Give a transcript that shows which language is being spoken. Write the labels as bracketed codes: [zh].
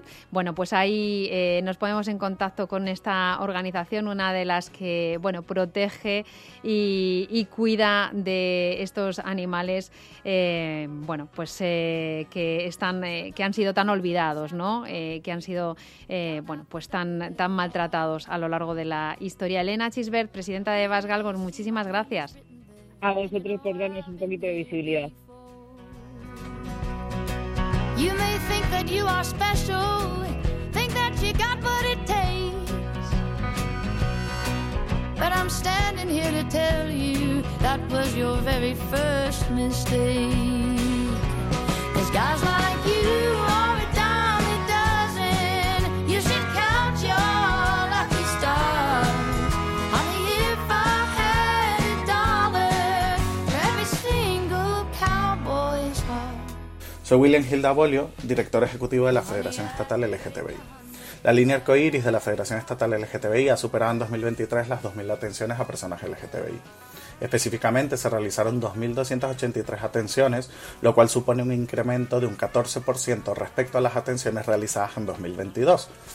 [es] Bueno, pues ahí nos ponemos en contacto con esta organización, una de las que, bueno, protege y cuida de estos animales, bueno, pues que han sido tan olvidados, ¿no? Que han sido, bueno, pues tan maltratados a lo largo de la historia. Elena Chisbert, presidenta de Bas Galgos, muchísimas gracias. A vosotros por darnos un poquito de visibilidad. [en] You may think that you are special, think that you got what it takes, but I'm standing here to tell you that was your very first mistake. 'Cause guys like you are a dime a dozen, you should count your lucky stars. Honey, if I had a dollar for every single cowboy's heart. [es] Soy William Gilda Bolio, director ejecutivo de la Federación Estatal LGTBI. La línea arcoíris de la Federación Estatal LGTBI ha superado en 2023 las 2.000 atenciones a personas LGTBI. Específicamente, se realizaron 2.283 atenciones, lo cual supone un incremento de un 14% respecto a las atenciones realizadas en 2022.